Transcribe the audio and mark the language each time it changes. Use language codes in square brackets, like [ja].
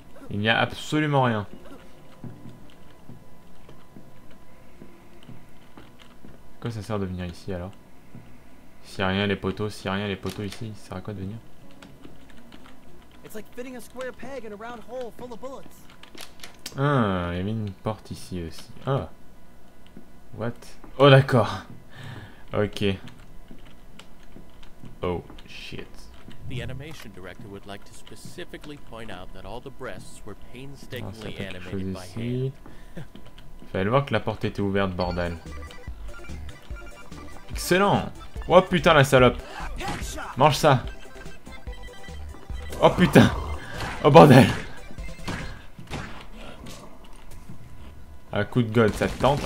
[fr] Il n'y a absolument rien. Quoi ça sert de venir ici alors? S'il y a rien les poteaux ici, ça sert à quoi de venir? [en] It's like fitting a square peg in a round hole full of bullets. [fr] Ah, il y avait une porte ici aussi. Ah. What? Oh d'accord. Ok. [en] Oh shit. The animation director would like to specifically point out that all the breasts were painstakingly animated by hand. [fr] Fallait le voir que la porte était ouverte, bordel. Excellent! Oh putain la salope! Mange ça! Oh putain! Oh bordel! Un coup de god, ça te tente?